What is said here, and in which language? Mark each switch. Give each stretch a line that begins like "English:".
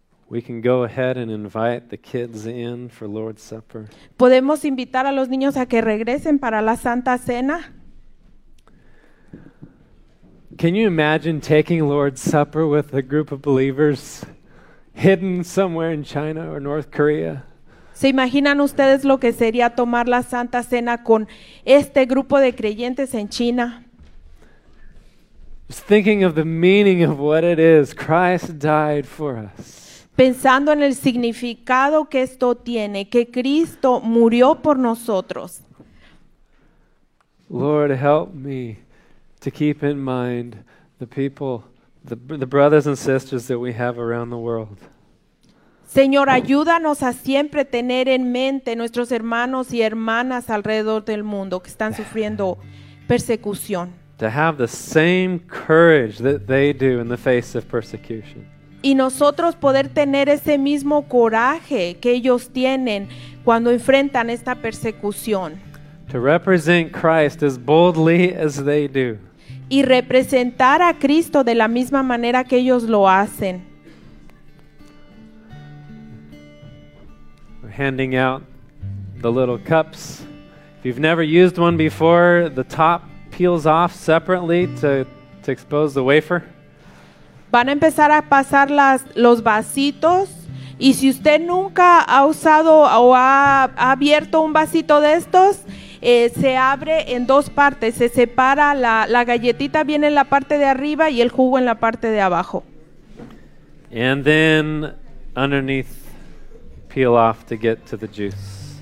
English: We can go ahead and invite the kids in for Lord's Supper.
Spanish: ¿Podemos invitar a los niños a que regresen para la Santa Cena?
English: Can you imagine taking Lord's Supper with a group of believers hidden somewhere in China or North Korea?
Spanish: ¿Se imaginan ustedes lo que sería tomar la Santa Cena con este grupo de creyentes en China?
English: Just thinking of the meaning of what it is, Christ died for us.
Spanish: Pensando en el significado que esto tiene, que Cristo murió por nosotros.
English: Lord, help me to keep in mind the people, the brothers and sisters that we have around the world.
Spanish: Señor, ayúdanos a siempre tener en mente nuestros hermanos y hermanas alrededor del mundo que están sufriendo persecución.
English: To have the same courage that they do in the face of persecution.
Spanish: Y nosotros poder tener ese mismo coraje que ellos tienen cuando enfrentan esta persecución.
English: To represent Christ as boldly as they do.
Spanish: Y representar a Cristo de la misma manera que ellos lo hacen.
English: We're handing out the little cups. If you've never used one before, the top peels off separately to expose the wafer.
Spanish: Van a empezar a pasar los vasitos. Y si usted nunca ha usado o ha abierto un vasito de estos, se abre en dos partes. Se separa la galletita, viene en la parte de arriba y el jugo en la parte de abajo.
English: And then underneath, peel off to get to the juice.